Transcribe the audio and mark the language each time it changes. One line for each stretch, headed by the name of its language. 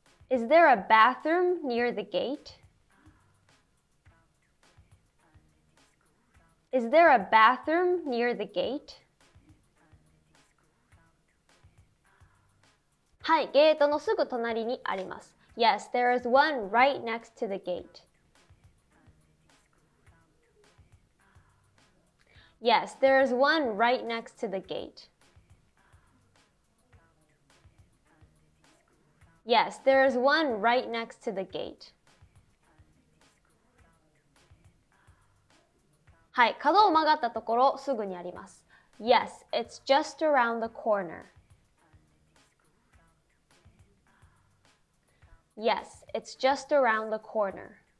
English: Is there a bathroom near the gate? Is there a bathroom near the gate?
Japanese: はい、ゲートのすぐ隣にあります。
English: Yes, there is one right next to the gate. Yes, there is one right next to the gate. Yes, there is one right next to the gate.
Japanese: はい、角を曲がったところすぐにあります。
English: Yes, it's just around the corner. Yes, it's just around the corner.